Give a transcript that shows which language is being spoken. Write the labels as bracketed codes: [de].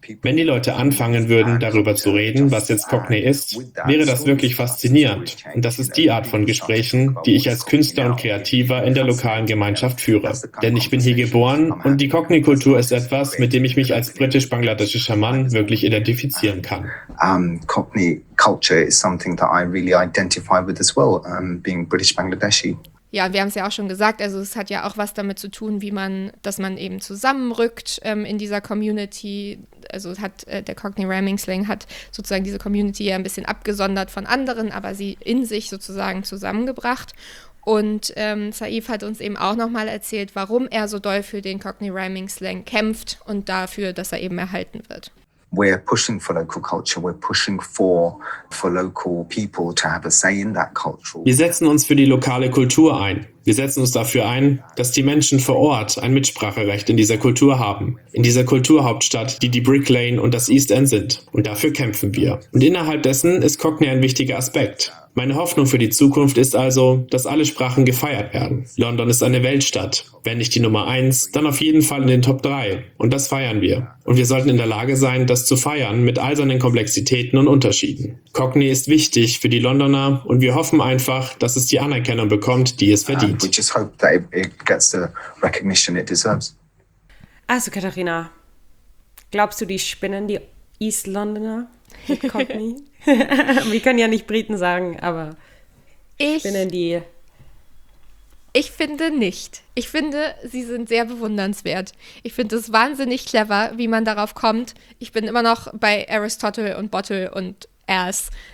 [de] Wenn die Leute anfangen würden, darüber zu reden, was jetzt Cockney ist, wäre das wirklich faszinierend. Und das ist die Art von Gesprächen, die ich als Künstler und Kreativer in der lokalen Gemeinschaft führe. Denn ich bin hier geboren und die Cockney-Kultur ist etwas, mit dem ich mich als britisch-bangladeschischer Mann wirklich identifizieren kann. [en] Cockney-Culture is something that I really identify with as well, being British-Bangladeshi. [de] Ja, wir haben es ja auch schon gesagt, also es hat ja auch was damit zu tun, wie man, dass man eben zusammenrückt in dieser Community. Also hat der Cockney Rhyming Slang hat sozusagen diese Community ja ein bisschen abgesondert von anderen, aber sie in sich sozusagen zusammengebracht. Und Saif hat uns eben auch nochmal erzählt, warum er so doll für den Cockney Rhyming Slang kämpft und dafür, dass er eben erhalten wird. [en] We're pushing for local culture. We're pushing for local people to have a say in that culture. [de] Wir setzen uns für die lokale Kultur ein. Wir setzen uns dafür ein, dass die Menschen vor Ort ein Mitspracherecht in dieser Kultur haben, in dieser Kulturhauptstadt, die die Brick Lane und das East End sind. Und dafür kämpfen wir. Und innerhalb dessen ist Cockney ein wichtiger Aspekt. Meine Hoffnung für die Zukunft ist also, dass alle Sprachen gefeiert werden. London ist eine Weltstadt. Wenn nicht die Nummer 1, dann auf jeden Fall in den Top 3. Und das feiern wir. Und wir sollten in der Lage sein, das zu feiern mit all seinen Komplexitäten und Unterschieden. Cockney ist wichtig für die Londoner und wir hoffen einfach, dass es die Anerkennung bekommt, die es verdient. [en] We just hope that it gets the recognition it deserves. [de] Also Katharina, glaubst du, die spinnen die East Londoner mit Cockney? Wir können ja nicht Briten sagen, aber spinnen die? Ich finde nicht. Ich finde, sie sind sehr bewundernswert. Ich finde es wahnsinnig clever, wie man darauf kommt. Ich bin immer noch bei Aristotle und Bottle und ass.